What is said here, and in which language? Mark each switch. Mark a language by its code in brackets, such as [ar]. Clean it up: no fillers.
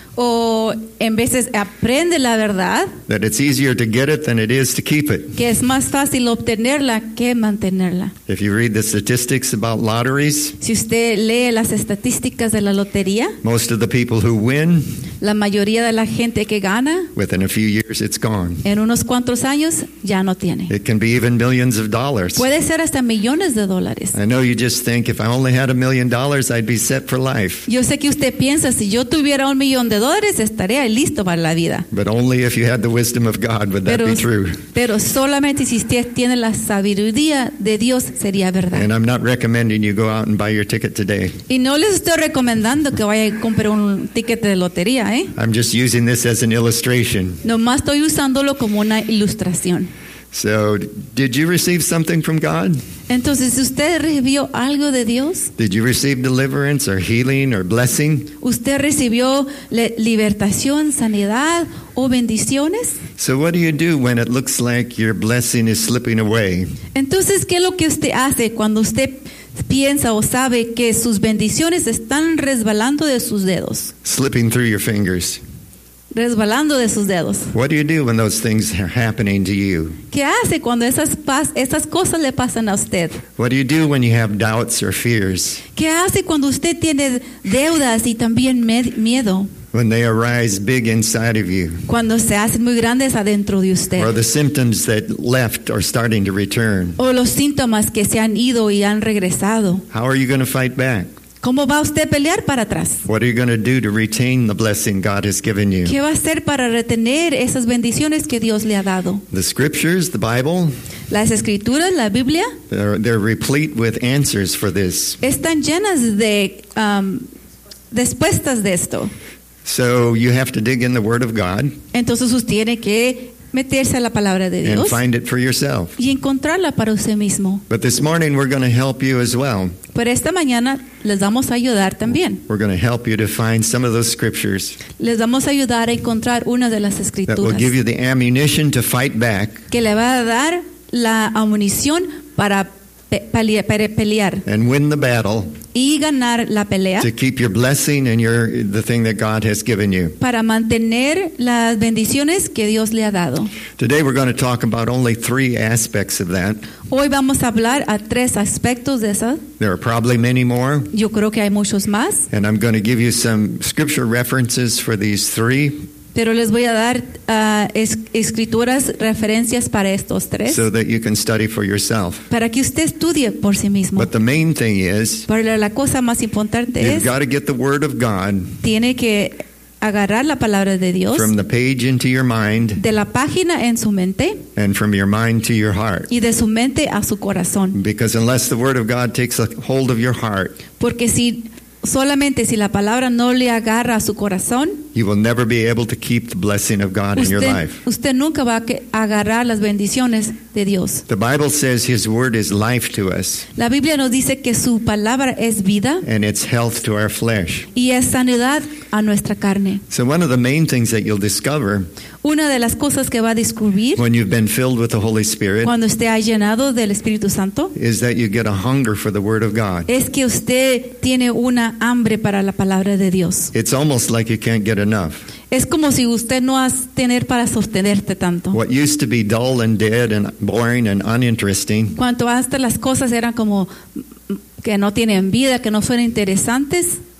[es] O en veces aprende la verdad. [en] That it's easier to get it than it is to keep it. [es] Que es más fácil obtenerla que mantenerla. [en] If you read the statistics about lotteries. [es] Si usted lee las estadísticas de la lotería. [en] Most of the people who win. [es] La mayoría de la gente que gana. [en] Within a few years it's gone. [es] En unos cuantos años ya no tiene. [en] It can be even millions of dollars. [es] Puede ser hasta millones de dólares. [en] I know you just think if I only had $1 million I'd be set for life. [es] Yo sé que usted piensa si yo tuviera $1 million de dólares estaría listo para la vida. [en] But only if you had the wisdom of God would that be true. [es] Pero solamente si usted tiene la sabiduría de Dios sería verdad. [en] And I'm not recommending you go out and buy your ticket today. [es] Y no les estoy recomendando que vaya y compre un ticket de lotería, ¿eh? [en] I'm just using this as an illustration. [es] Nomás estoy usándolo como una ilustración. [en] So, did you receive something from God? [es] Entonces, ¿usted recibió algo de Dios? [en] Did you receive deliverance or healing or blessing? [es] ¿Usted recibió libertación, sanidad o bendiciones? [en] So, what do you do when it looks like your blessing is slipping away? [es] Entonces, ¿qué es lo que usted hace cuando usted piensa o sabe que sus bendiciones están resbalando de sus dedos? [en] Slipping through your fingers. [es] Resbalando de sus dedos. [en] What do you do when those things are happening to you? [es] ¿Qué hace cuando esas cosas le pasan a usted? [en] What do you do when you have doubts or fears? [es] ¿Qué hace cuando usted tiene deudas y también miedo? [en] When they arise big inside of you. [es] Cuando se hacen muy grandes adentro de usted. [en] Or the symptoms that left are starting to return. [es] O los síntomas que se han ido y han regresado. [en] How are you going to fight back? [es] ¿Cómo va usted a pelear para atrás? [en] What are you going to do to retain the blessing God has given you? [es] ¿Qué va a hacer para retener esas bendiciones que Dios le ha dado? [en] The scriptures, the Bible. [es] Las escrituras, la Biblia. [en] They're replete with answers for this. [es] Están llenas de respuestas de esto. [en] So you have to dig in the Word of God. [es] Entonces usted tiene que meterse a la palabra de Dios. [en] And find it for yourself. [es] Y encontrarla para usted mismo. [en] But this morning we're going to help you as well. [es] Pero esta mañana les vamos a ayudar también. [en] We're going to help you to find some of those scriptures. [es] Les vamos a ayudar a encontrar una de las escrituras. [en] That will give you the ammunition to fight back. [es] Que le va a dar la munición para pelear. [en] And win the battle. [es] Y ganar la pelea. [en] To keep your blessing and your the thing that God has given you. [es] Para mantener las bendiciones que Dios le ha dado. [en] Today we're going to talk about only three aspects of that. [es] Hoy vamos a hablar a tres aspectos de eso. [en] There are probably many more. [es] Yo creo que hay muchos más. [en] And I'm going to give you some scripture references for these three. [es] Pero les voy a dar escrituras, referencias para estos tres. [en] So that you can study for yourself. [es] Para que usted estudie por sí mismo. [en] But the main thing is, [es] pero la cosa más importante [en] you've [es] es, [en] got to get the word of God, [es] tiene que agarrar la palabra de Dios, [en] from the page into your mind, [es] de la página en su mente, [en] and from your mind to your heart. [es] Y de su mente a su corazón. [en] Because unless the word of God takes a hold of your heart, [es] porque si solamente si la palabra no le agarra a su corazón, [en] you will never be able to keep the blessing of God [es] usted, [en] in your life. [es] Usted nunca va a agarrar las bendiciones de Dios. [en] The Bible says His word is life to us. [es] La Biblia nos dice que su palabra es vida. [en] And it's health to our flesh. [es] Y es sanidad a nuestra carne. [en] So one of the main things that you'll discover, [es] una de las cosas que va a descubrir, [en] when you've been filled with the Holy Spirit, [es] cuando usted ha llenado del Espíritu Santo, [en] is that you get a hunger for the word of God. [es] Es que usted tiene una hambre para la palabra de Dios. [en] It's almost like you can't get enough. [es] Es como si usted no has tener para sostenerte tanto. [en] What used to be dull and dead and boring and uninteresting. [es] Cuanto hasta las cosas eran como que no tienen vida, que no son interesantes.